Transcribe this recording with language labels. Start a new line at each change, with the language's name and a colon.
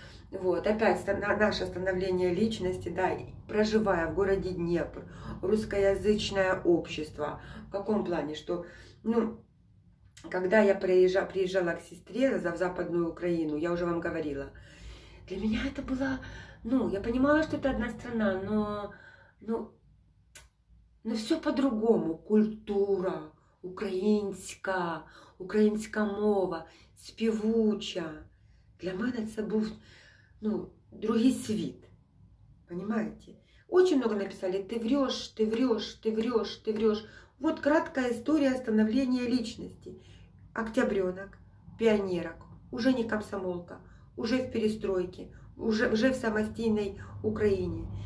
Russian: Вот, опять наше становление личности, да, проживая в городе Днепр, русскоязычное общество. В каком плане, что, ну, когда я приезжала к сестре в Западную Украину, я уже вам говорила, Для меня это было, ну, я понимала, что это одна страна, но все по-другому.
Ukrainian: Культура українська, українська мова, співуча. Для мене це був, ну, другий світ.
Russian: Понимаете? Очень много написали: ты врешь, ты врешь, ты врешь, ты врешь. Вот краткая история становления личности. Октябренок, пионерок, уже не комсомолка, уже в перестройке, уже в самостийной Украине.